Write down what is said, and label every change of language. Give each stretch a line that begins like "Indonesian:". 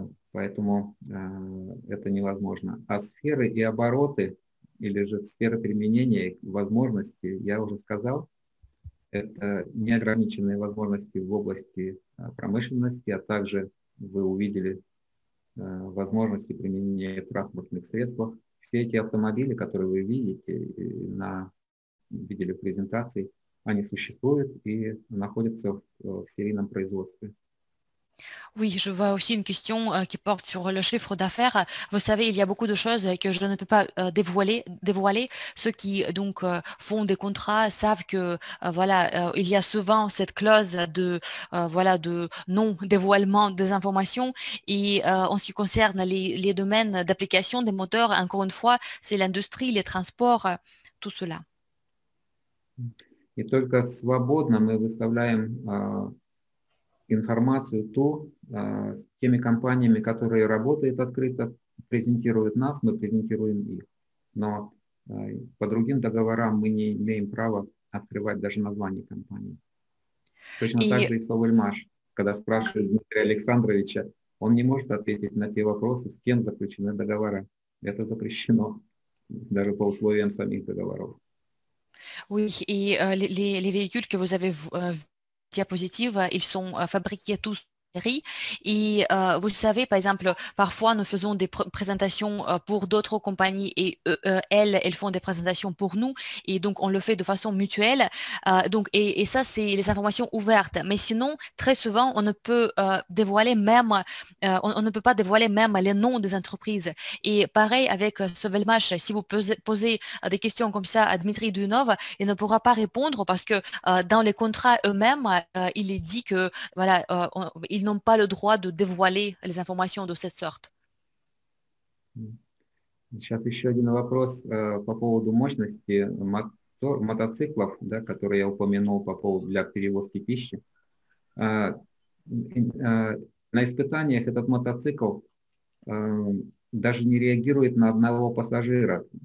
Russian: Поэтому это невозможно. А сферы и обороты, или же сферы применения, возможности, я уже сказал, это неограниченные возможности в области промышленности, а также вы увидели возможности применения в транспортных средствах. Все эти автомобили, которые вы видите, видели в презентации, они существуют и находятся в серийном производстве.
French: Oui, je vois aussi une question qui porte sur le chiffre d'affaires. Vous savez, il y a beaucoup de choses que je ne peux pas dévoiler. Ceux qui donc font des contrats savent que voilà, il y a souvent cette clause de voilà de non-dévoilement des informations. Et en ce qui concerne les domaines d'application des moteurs, encore une fois, c'est l'industrie, les transports, tout cela. Et
Russian: только свободно мы выставляем информацию ту с теми компаниями, которые работают открыто, презентируют нас, мы презентируем их. Но по другим договорам мы не имеем права открывать даже название компании. Точно так же и Совельмаш, когда спрашивают Дмитрия Александровича, он не может ответить на те вопросы, с кем заключены договора. Это запрещено даже по условиям самих договоров.
French: Oui,
Russian: и
French: les véhicules que vous avez diapositive, ils sont fabriqués tous et vous savez par exemple, parfois nous faisons des présentations pour d'autres compagnies et elles font des présentations pour nous et donc on le fait de façon mutuelle donc, et ça c'est les informations ouvertes, mais sinon très souvent on ne peut dévoiler même on ne peut pas dévoiler même les noms des entreprises et pareil avec Sauvé le Mâche, si vous posez des questions comme ça à Dmitri Dunov il ne pourra pas répondre parce que dans les contrats eux-mêmes il est dit que voilà, ils n'ont pas le droit de dévoiler les informations de cette sorte.
Russian: Сейчас еще один вопрос по поводу мощности мотоциклов, да, которые я упомянул по поводу для перевозки пищи. На испытаниях этот мотоцикл даже не реагирует на одного пассажира.